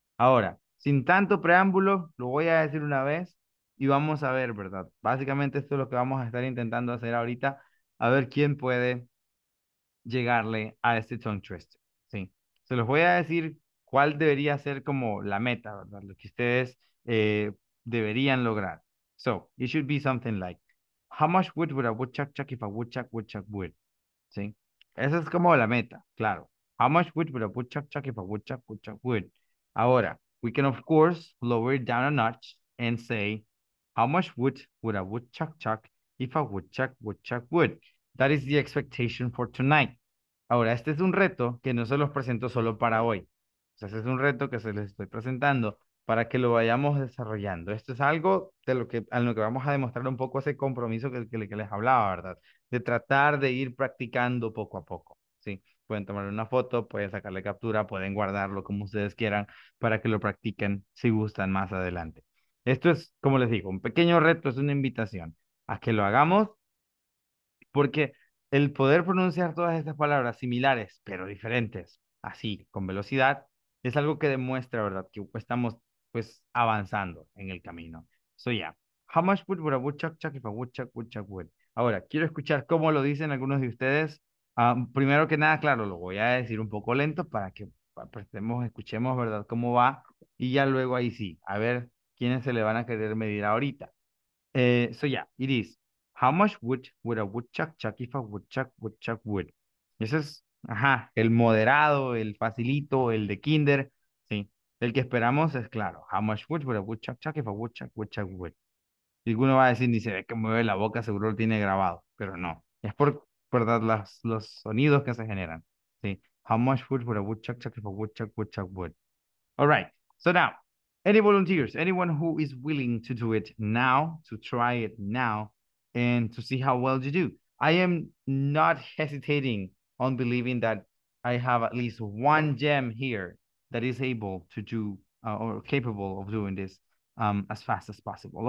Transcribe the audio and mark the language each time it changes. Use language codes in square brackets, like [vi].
[es] Ahora, sin tanto preámbulo, lo voy a decir una vez y vamos a ver, ¿verdad? Básicamente esto es lo que vamos a estar intentando hacer ahorita, a ver quién puede llegarle a este tongue twister, ¿sí? Se los voy a decir cuál debería ser como la meta, ¿verdad? Lo que ustedes deberían lograr. [en] So, it should be something like, how much wood would a woodchuck chuck if a woodchuck woodchuck wood? [es] ¿Sí? Esa es como la meta, claro. [en] How much wood would a woodchuck chuck if a woodchuck woodchuck wood? Ahora, we can of course lower it down a notch and say, how much wood would a woodchuck chuck if a woodchuck woodchuck wood? That is the expectation for tonight. [es] Ahora, este es un reto que no se los presento solo para hoy. O sea, este es un reto que se les estoy presentando para que lo vayamos desarrollando. Esto es algo de lo que vamos a demostrar un poco ese compromiso que les hablaba, ¿verdad? De tratar de ir practicando poco a poco, ¿sí? Pueden tomar una foto, pueden sacarle captura, pueden guardarlo como ustedes quieran para que lo practiquen si gustan más adelante. Esto es, como les digo, un pequeño reto, es una invitación a que lo hagamos, porque el poder pronunciar todas estas palabras similares, pero diferentes, así, con velocidad, es algo que demuestra, ¿verdad?, que estamos pues avanzando en el camino. [en] So yeah, how much wood would a woodchuck chuck if a woodchuck woodchuck wood? [es] Ahora, quiero escuchar cómo lo dicen algunos de ustedes. Primero que nada, claro, lo voy a decir un poco lento para que prestemos, escuchemos, ¿verdad?, cómo va, y ya luego ahí sí, a ver quiénes se le van a querer medir ahorita. [en] So yeah, it is, how much wood would a woodchuck chuck if a woodchuck woodchuck wood? [es] Eso es, ajá, el moderado, el facilito, el de kinder, sí. El que esperamos es claro. [en] How much wood would a woodchuck chuck if a woodchuck woodchuck wood? [es] Y alguno va a decir, ni se ve que mueve la boca, seguro lo tiene grabado. Pero no. Es por, ¿verdad?, los sonidos que se generan, sí. [en] How much wood would a woodchuck chuck if a woodchuck woodchuck wood? All right. So now, any volunteers, anyone who is willing to do it now, to try it now, and to see how well you do. I am not hesitating on believing that I have at least one gem here that is able to do or capable of doing this as fast as possible.